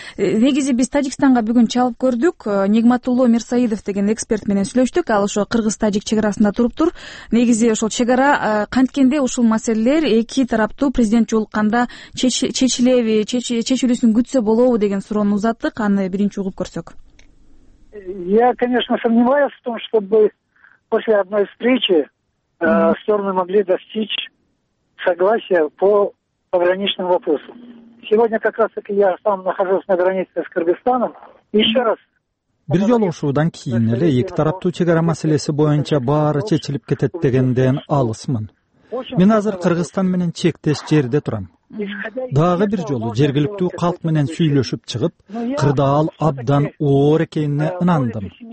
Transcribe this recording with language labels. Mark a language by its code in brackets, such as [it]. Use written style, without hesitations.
[ky] Негизи биз Тажикстанга бүгүн чалып көрдүк. Нигматулло Мирсаидов деген эксперт менен сүйлөштүк. Ал ошо кыргыз-тажик чек арасында туруптур. Негизи ошол чек ара канткенде ушул маселелер эки тараптуу президент жолукканда чечилеби, чечилүүсүн күтсө болобу деген суроону узаттык. Аны биринчи угуп көрсөк. [ru] Я, конечно, сомневаюсь в том, чтобы после одной встречи стороны могли достичь согласия по пограничным вопросам. Сегодня как раз таки я сам нахожусь на границе с Кыргызстаном. Еще раз. [ky] Бир жолугушуудан кийин эле эки тараптуу чек ара маселеси боюнча баары чечилип кетет дегенден алысмын. Мен азыр Кыргызстан менен чектеш жерде турам. Дагы бир жолу жергиликтүү калк менен сүйлөшүп чыгып, кырдаал абдан оор экенине ынандым.